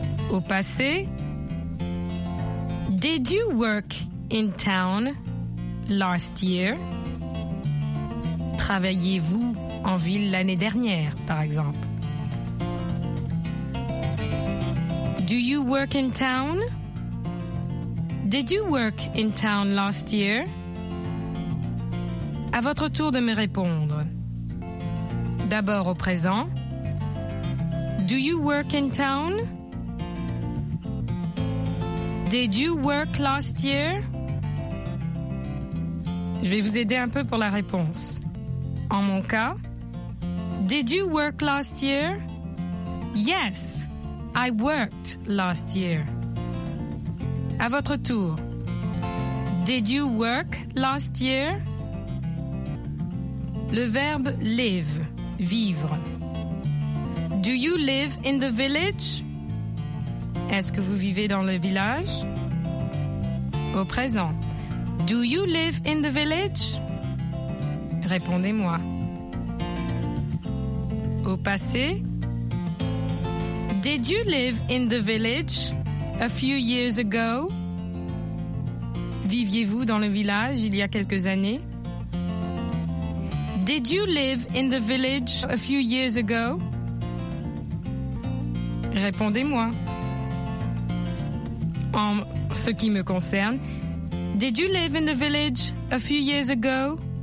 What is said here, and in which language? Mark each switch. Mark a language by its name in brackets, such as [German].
[French] Au passé, [English] did you work in town last year? [French] Travaillez-vous en ville l'année dernière, par exemple? [English] Do you work in town? Did you work in town last year? [French] À votre tour de me répondre. D'abord au présent. [English] Do you work in town? Did you work last year? [French] Je vais vous aider un peu pour la réponse. En mon cas, [English] did you work last year? Yes, I worked last year. [French] À votre tour. [English] Did you work last year? [French] Le verbe live, vivre. [English] Do you live in the village? [French] Est-ce que vous vivez dans le village? Au présent. [English] Do you live in the village? [French] Répondez-moi. Au passé. [English] Did you live in the village a few years ago? [French] Viviez-vous dans le village il y a quelques années? [English] Did you live in the village a few years ago? [French] Répondez-moi. En ce qui me concerne, [English] did you live in the village a few years ago?